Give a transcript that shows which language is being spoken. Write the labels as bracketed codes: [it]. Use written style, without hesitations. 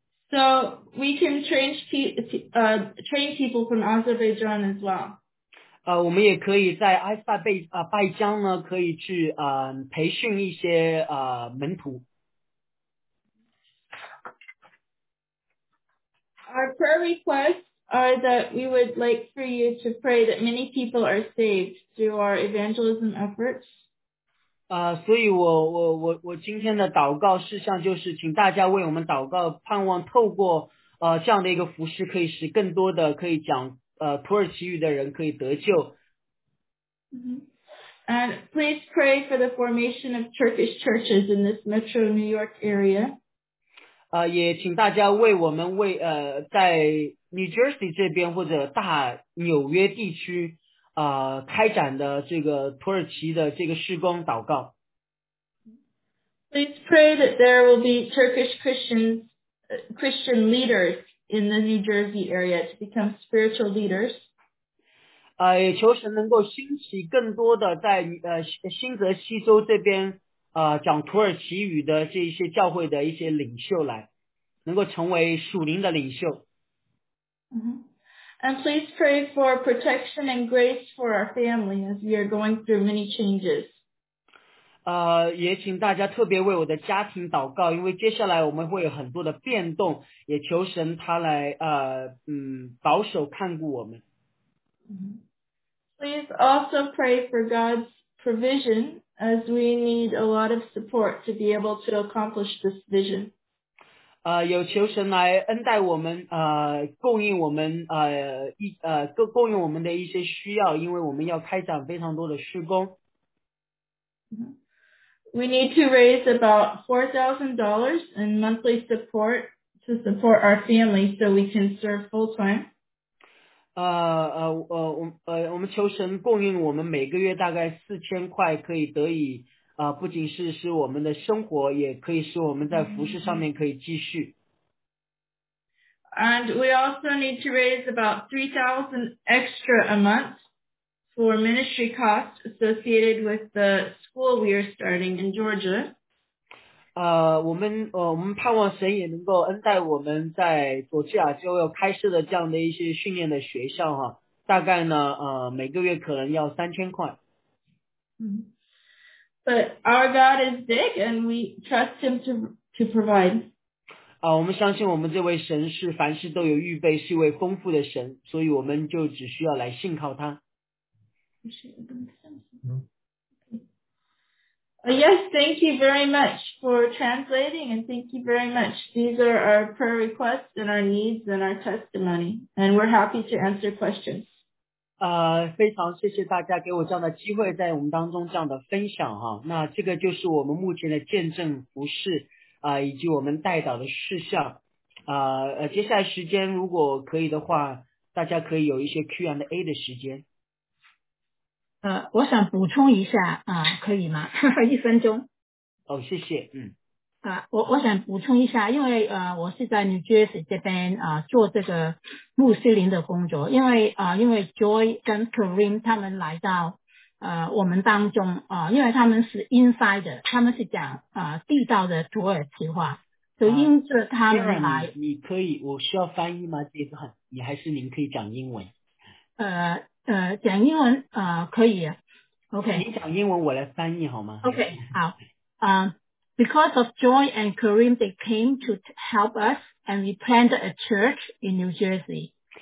[en] So we can train people from Azerbaijan as well. [zh] 我们也可以在埃塞拜疆呢，可以去培训一些门徒。 [en] Our prayer requests are that we would like for you to pray that many people are saved through our evangelism efforts. [zh] 所以我今天的祷告事项就是请大家为我们祷告，盼望透过这样的一个服事，可以使更多的可以讲土耳其语的人可以得救。 [en] And please pray for the formation of Turkish churches in this metro New York area. [zh] 也请大家为我们为在 New Jersey 这边或者大纽约地区开展的这个土耳其的这个事工祷告。 [en] Please pray that there will be Turkish Christian leaders in the New Jersey area to become spiritual leaders. [zh] 也求神能够兴起更多的在新泽西州这边讲土耳其语的这一些教会的一些领袖来，能够成为属灵的领袖。 [en] And please pray for protection and grace for our family as we are going through many changes. [zh] 也请大家特别为我的家庭祷告，因为接下来我们会有很多的变动，也求神他来保守看顾我们。 [en] Please also pray for God's provision as we need a lot of support to be able to accomplish this vision. [zh] 有求神来恩待我们，供应我们供应我们的一些需要，因为我们要开展非常多的施工。 [en] We need to raise about $4,000 in monthly support to support our family so we can serve full time. [zh] 我们求神供应我们每个月大概4000块，可以得以。不仅是使我们的生活，也可以使我们在服事上面可以继续。 [en] And we also need to raise about $3,000 extra a month for ministry costs associated with the school we are starting in Georgia. [zh] 我们盼望神也能够恩待我们在佐治亚州要开设的这样的一些训练的学校哈，大概呢每个月可能要3000块。 [en] But our God is big and we trust him to provide. [zh] 我们相信我们这位神是凡事都有预备，是一位丰富的神，所以我们就只需要来信靠他。 [en] Yes, thank you very much for translating and thank you very much. These are our prayer requests and our needs and our testimony. And we're happy to answer questions. [zh] 非常谢谢大家给我这样的机会在我们当中这样的分享哈，那这个就是我们目前的见证服事以及我们代祷的事项接下来时间如果可以的话，大家可以有一些 Q&A 的时间。我想补充一下可以吗？一分钟。哦，谢谢。我想补充一下，因为我是在 New Jersey 这边做这个穆斯林的工作，因为 Joy 跟 Kareem 他们来到我们当中因为他们是 insider， 他们是讲地道的土耳其话，所以因着他们来。你可以，我需要翻译吗？这段你还是您可以讲英文？讲英文可以 ，OK。你讲英文，我来翻译好吗？ OK， 好， [en] Because of Joy and Kareem, they came to help us and we planted a church in New Jersey.